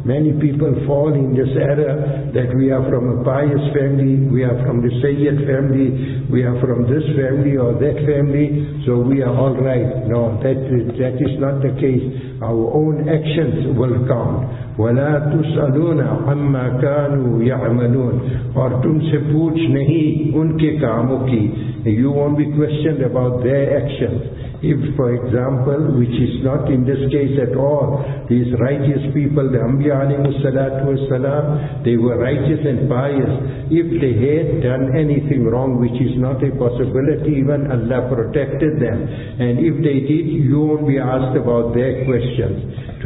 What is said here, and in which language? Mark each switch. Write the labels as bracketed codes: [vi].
[en] Many people fall in this error that we are from a pious family, we are from the Sayyid family, we are from this family or that family, so we are all right. No, that is not the case. Our own actions will count. [ar] وَلَا تُسْأَلُونَ عَمَّا كَانُوا يَعْمَلُونَ. [ur] اور تم سے پوچھ نہیں ان کے کاموں کی. [en] You won't be questioned about their actions. If, for example, which is not in this case at all, these righteous people, the Ambiya alayhi salatu wasalam, they were righteous and pious. If they had done anything wrong, which is not a possibility, even Allah protected them. And if they did, you won't be asked about their questions.